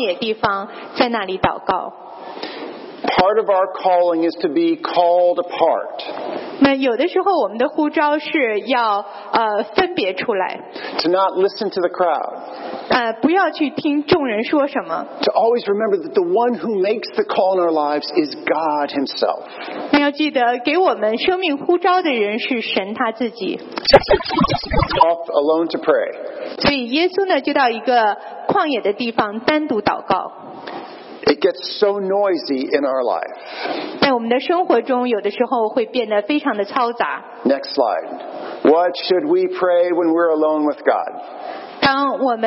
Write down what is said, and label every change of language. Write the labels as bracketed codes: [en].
[zh] 那耶稣呢，在天未亮的时候就起来到旷野地方，在那里祷告。 [en] Part of our calling is to be called apart. [zh] 那有的时候我们的呼召是要分别出来。 [en] To not listen to the crowd. [zh] 不要去听众人说什么。 [en] To always remember that the one who makes the call in our lives is God himself. [zh] 要记得给我们生命呼召的人是神他自己。 [en] Off alone to pray. [zh] 所以耶稣呢就到一个旷野的地方单独祷告。 [en] It gets so noisy in our life. [zh] 在我们的生活中，有的时候会变得非常的嘈杂。 [en] Next slide. What should we pray when we're alone with God?